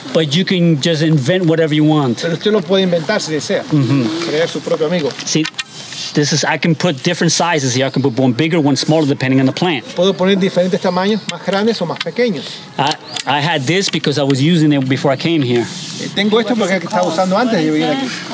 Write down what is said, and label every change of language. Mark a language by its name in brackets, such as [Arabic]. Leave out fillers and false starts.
[English] But you can just invent whatever you want. [Spanish] Pero usted lo puede inventar si desea. Mm-hmm. Crear su propio amigo. [English] See, this is, I can put different sizes here. I can put one bigger, one smaller, depending on the plant. [Spanish] Puedo poner diferentes tamaños, más grandes o más pequeños. [English] I had this because I was using it before I came here. [Spanish] Tengo esto porque estaba usando antes de venir aquí.